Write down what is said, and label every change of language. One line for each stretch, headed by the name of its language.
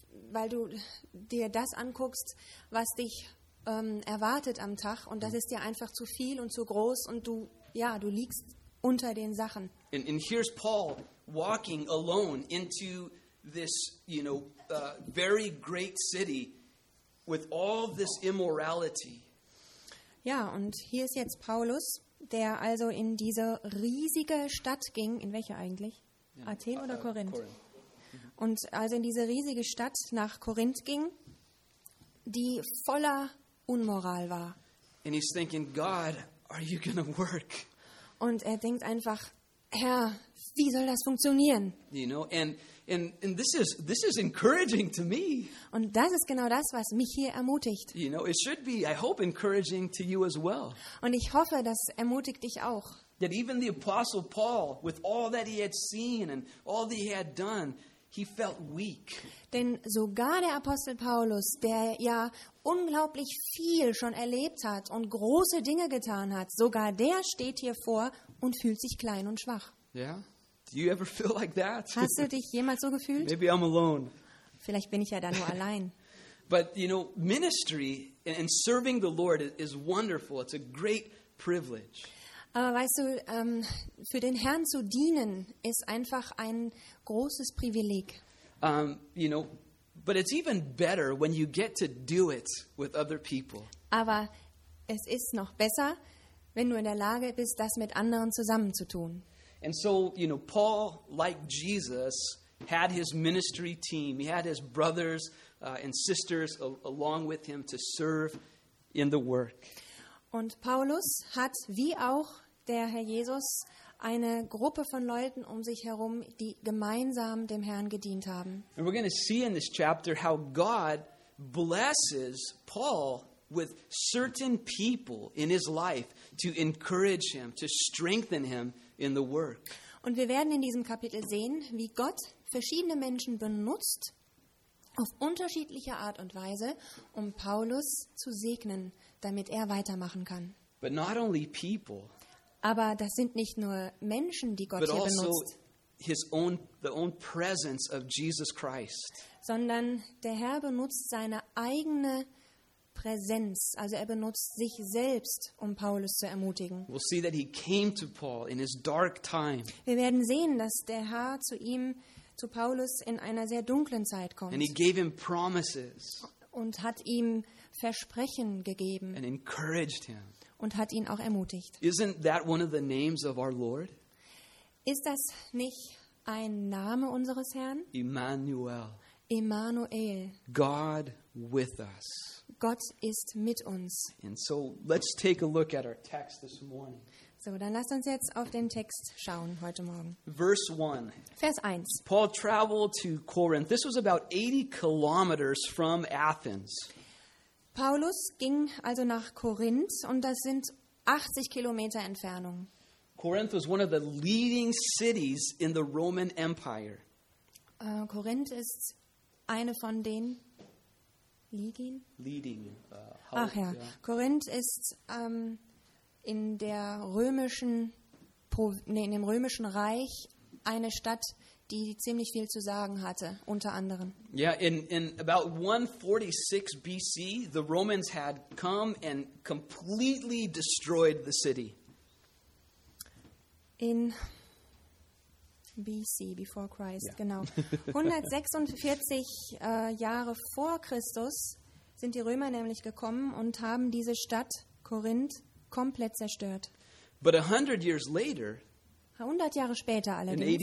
German: Weil du dir das anguckst, was dich erwartet am Tag und das ist dir einfach zu viel und zu groß und du liegst unter den Sachen.
English: And here's Paul walking alone into this, you know, very great city with all this immorality.
German: Ja, und hier ist jetzt Paulus, der also in diese riesige Stadt ging, in welche eigentlich? Yeah. Athen oder Korinth? Und also in diese riesige Stadt nach Korinth ging, die voller Unmoral war.
English: And he's thinking, God, are you gonna work?
German: Und er denkt einfach, Herr, wie soll das funktionieren?
English: You know, and this is encouraging to me.
German: Und das ist genau das, was mich hier ermutigt.
English: You know, it should be, I hope, encouraging to you as well.
German: Und ich hoffe, das ermutigt dich auch.
English: That even the apostle Paul, with all that he had seen and all that he had done, he felt weak.
German: Denn sogar der Apostel Paulus, der ja unglaublich viel schon erlebt hat und große Dinge getan hat, sogar der steht hier vor und fühlt sich klein und schwach.
English: Yeah. Do you ever feel like that?
German: Hast du dich jemals so gefühlt?
English: Maybe I'm alone.
German: Vielleicht bin ich ja da nur allein.
English: But you know, ministry and serving the Lord is wonderful. It's a great privilege.
German: Aber weißt du, für den Herrn zu dienen ist einfach ein großes Privileg.
English: You know, but it's even better when you get to do it with other people.
German: Aber es ist noch besser, wenn du in der Lage bist, das mit anderen zusammen zu tun.
English: And so, you know, Paul, like Jesus, had his ministry team. He had his brothers and sisters along with him to serve in the work.
German: Und Paulus hat, wie auch der Herr Jesus, eine Gruppe von Leuten um sich herum, die gemeinsam dem Herrn gedient haben.
English: And we're going to see in this chapter how God blesses Paul with certain people in his life to encourage him, to strengthen him in the work.
German: Und wir werden in diesem Kapitel sehen, wie Gott verschiedene Menschen benutzt auf unterschiedliche Art und Weise, um Paulus zu segnen, damit er weitermachen kann.
English: But not only people,
German: aber das sind nicht nur Menschen, die Gott hier benutzt,
English: the own presence of Jesus Christ.
German: Sondern der Herr benutzt seine eigene Präsenz, also er benutzt sich selbst, um Paulus zu ermutigen.
English: We'll see that he came to Paul in his dark time.
German: Wir werden sehen, dass der Herr zu ihm, zu Paulus, in einer sehr dunklen Zeit kommt.
English: And he gave him promises.
German: Und hat ihm Versprechen gegeben.
English: And encouraged him.
German: Und hat ihn auch ermutigt.
English: Isn't that one of the names of our Lord?
German: Ist das nicht ein Name unseres Herrn?
English: Emmanuel.
German: Emmanuel.
English: God with us.
German: Gott ist mit uns.
English: And so let's take a look at our text this morning.
German: So, dann lasst uns jetzt auf den Text schauen heute Morgen.
English: Verse 1.
German: Vers 1.
English: Paul traveled to Corinth. This was about 80 kilometers from Athens.
German: Paulus ging also nach Korinth und das sind 80 Kilometer Entfernung.
English: Corinth was one of the leading cities in the Roman Empire.
German: Korinth ist eine von den Ligien?
English: Leading.
German: Korinth ist in der römischen, in dem römischen Reich eine Stadt, die ziemlich viel zu sagen hatte, unter anderem.
English: Yeah, in about 146 BC, the Romans had come and completely destroyed the city. In BC, before Christ, yeah.
German: Genau. 146 Jahre vor Christus sind die Römer nämlich gekommen und haben diese Stadt Korinth komplett zerstört.
English: But 100 years later,
German: 100 Jahre später allerdings,